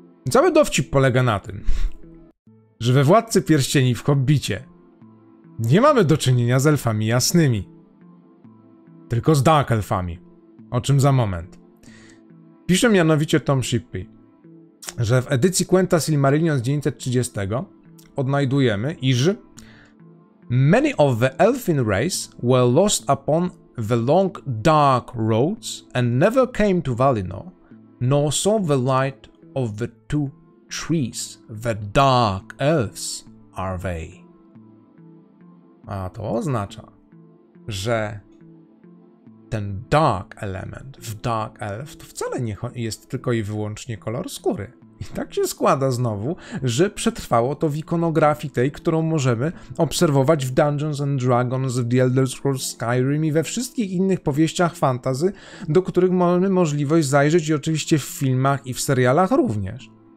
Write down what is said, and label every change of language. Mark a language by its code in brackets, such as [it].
[pl] Cały dowcip polega na tym, że we Władcy Pierścieni w Hobbicie nie mamy do czynienia z elfami jasnymi, tylko z dark elfami, o czym za moment. Pisze mianowicie Tom Shippey, że w edycji Quenta Silmarillion z 930 odnajdujemy, iż [en] many of the elfin race were lost upon the long dark roads and never came to Valinor, nor saw the light of the two trees, the dark elves are they. [pl] A to oznacza, że ten dark element w dark elf to wcale nie jest tylko i wyłącznie kolor skóry. I tak się składa znowu, że przetrwało to w ikonografii tej, którą możemy obserwować w Dungeons and Dragons, w The Elder Scrolls Skyrim i we wszystkich innych powieściach fantasy, do których mamy możliwość zajrzeć i oczywiście w filmach i w serialach również.